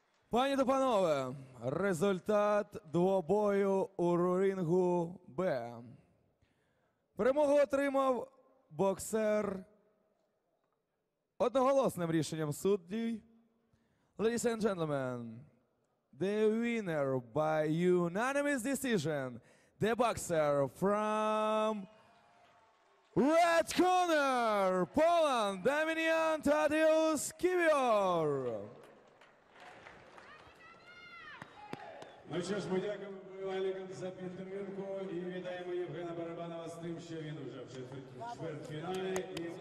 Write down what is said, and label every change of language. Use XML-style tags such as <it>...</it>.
<uk>Пані та панове, результат двобою у рингу Б. Перемогу отримав боксер одноголосним рішенням суддів.</uk> <en>Ladies and gentlemen, the winner by unanimous decision, the boxer from Red Corner, Poland, Damian Tadeusz Kiwior.</en> <uk>Ну що ж, ми дякуємо вивальникам за підтримку і вітаємо Євгена Барабанова з тим, що він вже в четвертьфіналі.</uk>